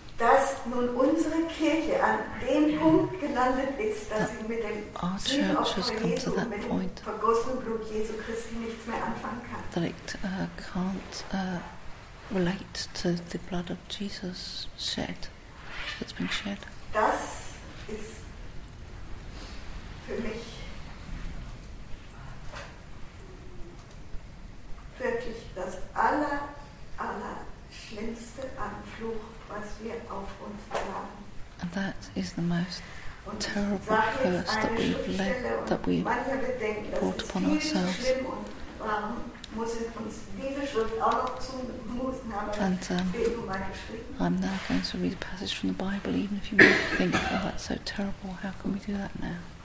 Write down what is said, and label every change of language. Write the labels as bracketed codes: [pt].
[de] dass nun unsere Kirche an dem Punkt gelandet ist, dass sie mit dem Blut Jesu, mit dem vergossenen Blut Jesu Christi nichts mehr anfangen kann. [en] That it can't relate to the blood of Jesus shed, that's been shed. [de] Das ist für mich wirklich das aller, aller schlimmste an Fluch. [en] And that is the most terrible curse that we've led, that we've brought upon ourselves. And I'm now going to read a passage from the Bible, even if you might think, oh, that's so terrible, how can we do that now?